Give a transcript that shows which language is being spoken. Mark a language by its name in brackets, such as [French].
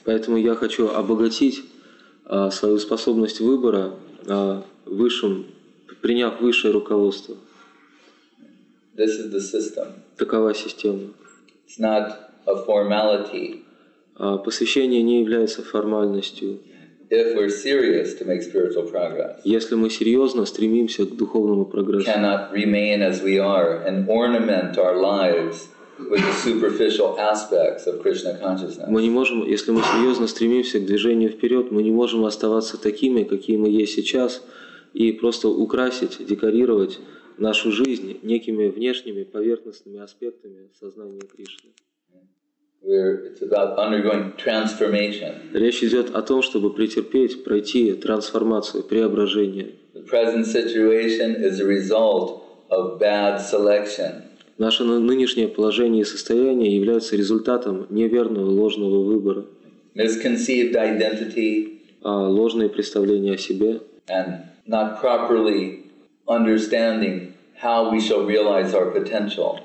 [Russian] Поэтому я хочу обогатить свою способность выбора высшим, приняв высшее руководство. [English] This is the system. [Russian] Такова система. [English] It's not a formality. [Russian] Посвящение не является формальностью. [English] If we're serious to make spiritual progress, [Russian] если мы серьезно стремимся к духовному прогрессу, [English] cannot remain as we are and ornament our lives with the superficial aspects of Krishna consciousness. [Russian] Мы не можем, если мы серьезно стремимся к движению вперед, мы не можем оставаться такими, какие мы есть сейчас, и просто украсить, декорировать нашу жизнь некими внешними поверхностными аспектами сознания Кришны. [English] It's about undergoing transformation. [Russian] Речь идет о том, чтобы претерпеть, пройти трансформацию, преображение. [English] The present situation is a result of bad selection. [Russian] Наше нынешнее положение и состояние являются результатом неверного, ложного выбора. [English] Misconceived identity, [Russian] ложные представления о себе. [English] And not properly understanding how we shall realize our potential.